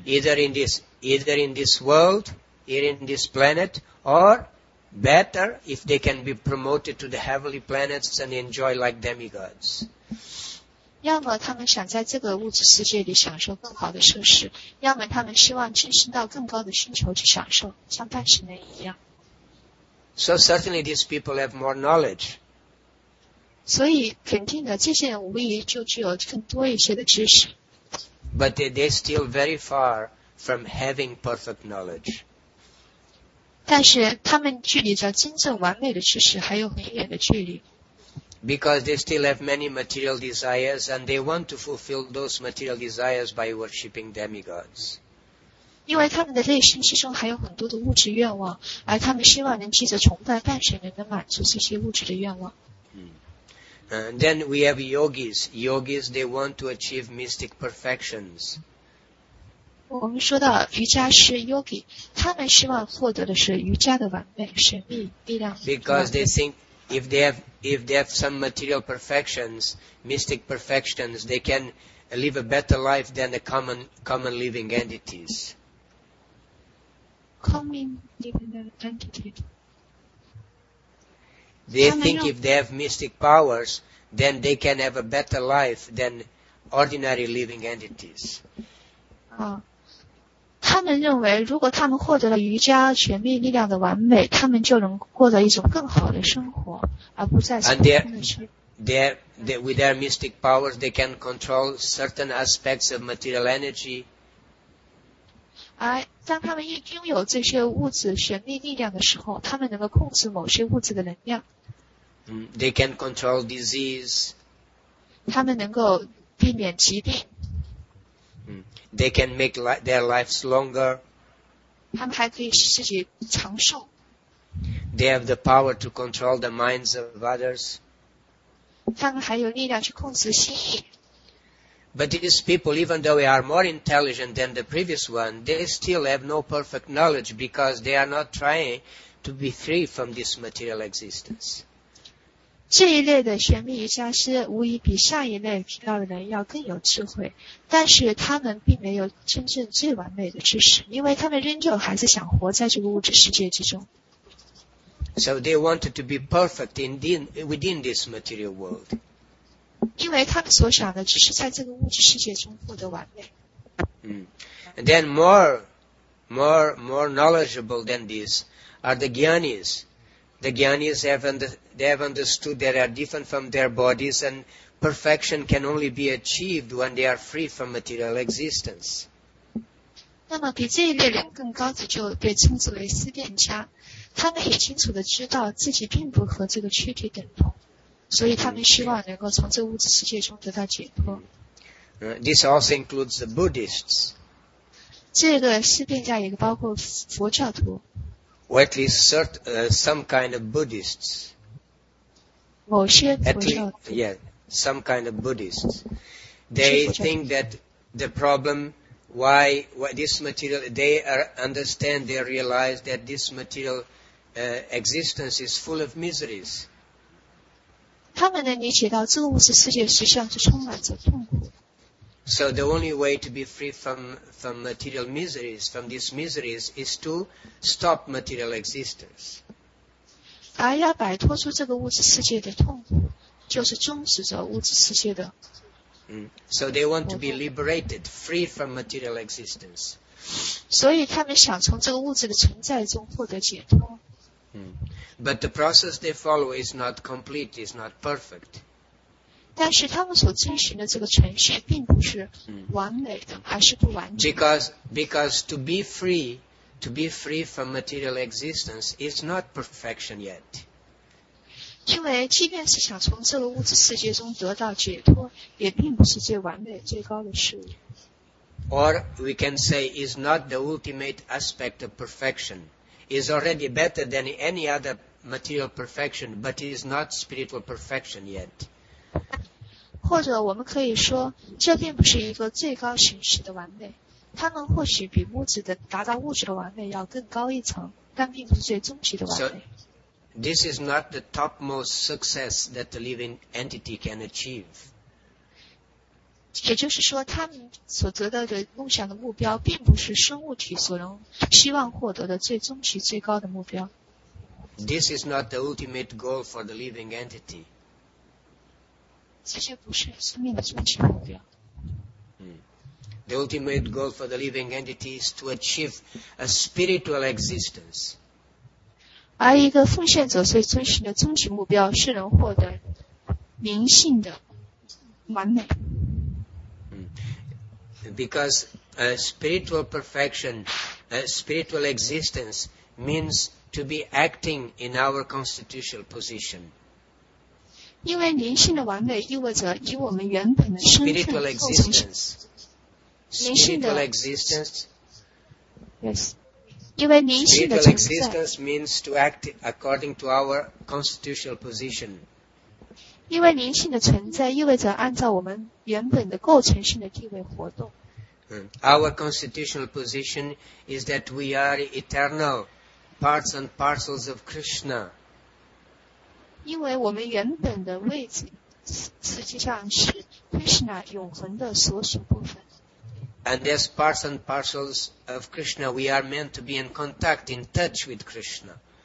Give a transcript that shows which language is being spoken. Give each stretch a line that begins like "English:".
English: Either in this world, here in this planet, or better if they can be promoted to the heavenly planets and enjoy like demigods.
Chinese: 要么他们想在这个物质世界里享受更好的设施，要么他们希望晋升到更高的星球去享受，像半神人一样。
English: So certainly these people have more knowledge.
Chinese: 所以肯定的，这些人无疑就具有更多一些的知识。
English: But they're still very far from having perfect knowledge.
Chinese: 但是他们距离着真正完美的知识还有很远的距离。
English: Because they still have many material desires and they want to fulfill those material desires by worshipping demigods.
Chinese: 因为他们的内心之中还有很多的物质愿望，而他们希望能借着崇拜半神人能满足这些物质的愿望。
English: And then we have yogis. Yogis, they want to achieve mystic perfections.
Chinese: 我们说到瑜伽师 yogi, 他们希望获得的是瑜伽的完美、神秘、力量。
English: Because they think if they have some material perfections, mystic perfections, they can live a better life than the common living entities. Common living entities. They think if they have mystic powers, then they can have a better life than ordinary living entities.
Chinese: 他们认为如果他们获得了瑜伽全面力量的完美，他们就能获得一种更好的生活，而不再是
English: And they're that with their mystic powers they can control certain aspects of material energy.
Chinese: 而当他们一拥有这些物质神力力量的时候，他们能够控制某些物质的能量。
English: They can control disease.
Chinese: 他们能够避免疾病。
English: They can make their lives longer.
Chinese: 他们还可以使自己长寿。
English: They have the power to control the minds of others.
Chinese: 他们还有力量去控制心意。
English: But these people, even though they are more intelligent than the previous one, they still have no perfect knowledge because they are not trying to be free from this material existence.
Chinese: 这一类的玄秘瑜伽师无疑比上一类频道的人要更有智慧，但是他们并没有真正最完美的知识，因为他们仍旧还是想活在这个物质世界之中。
English: So they wanted to be perfect within this material world.
Chinese: 因为他们所想的只是在这个物质世界中获得完美。
English: And then more knowledgeable than this are the gyanis. The gyanis have understood they are different from their bodies and perfection can only be achieved when they are free from material existence.
Chinese: 那么比这一类人更高级就被称之为思辨家，他们也清楚地知道自己并不和这个躯体等同。所以他们希望能够从这物质世界中得到解脱。
English: This also includes the Buddhists.
Chinese: 这个思辨家也包括佛教徒。
English: Or at least certain, some kind of Buddhists.
Chinese: 某些佛教徒。
English: Some kind of Buddhists. They think that the problem, why this material, they are, understand, they realize that this material, existence is full of miseries.
Chinese: 他们能理解到这个物质世界实际上是充满着痛苦。
English: So the only way to be free from material miseries, from these miseries, is to stop material existence.
Chinese: 而要摆脱出这个物质世界的痛苦，就是终止着物质世界的。
English: So they want to be liberated, free from material existence.
Chinese: 所以他们想从这个物质的存在中获得解脱。
English: But the process they follow is not complete, is not perfect.
Chinese: 但是他们所遵循的这个程序并不是完美的，还是不完整。
English: Because to be free from material existence is not perfection yet.
Chinese: 因为即便是想从这个物质世界中得到解脱，也并不是最完美、最高的事物。
English: Or we can say is not the ultimate aspect of perfection. Is already better than any other material perfection, but it is not spiritual perfection yet.
Chinese: 或者我们可以说，这并不是一个最高形式的完美。他们或许比物质的达到物质的完美要更高一层，但并不是最终极的完美。
English: So, this is not the topmost success that the living entity can achieve.
Chinese: 也就是说，他们所得到的梦想的目标，并不是生物体所能。希望获得的最终极最高的目标。
English: This is not the ultimate goal for the living entity.
Chinese: 这些不是生命的终极目标。
English: The ultimate goal for the living entity is to achieve a spiritual existence.
Chinese: 而一个奉献者所遵循的终极目标是能获得灵性的完美。
English: Because a spiritual perfection,spiritual existence means to be acting in our constitutional position.
Chinese: 因为灵性的完美意味着以我们原本的身份。
English: Spiritual existence. Spiritual existence. Yes.
Chinese: 因为灵性的存在。
English: Spiritual existence means to act according to our constitutional position.
Chinese: 因为灵性的存在意味着按照我们原本的构成性的地位活动。
English: Our constitutional position is that we are eternal parts and parcels of Krishna.
Chinese: 因为我们原本的位置实际上是 Krishna 永恒的所属部分。
English: And as parts and parcels of Krishna, we are meant to be in contact, in touch with Krishna.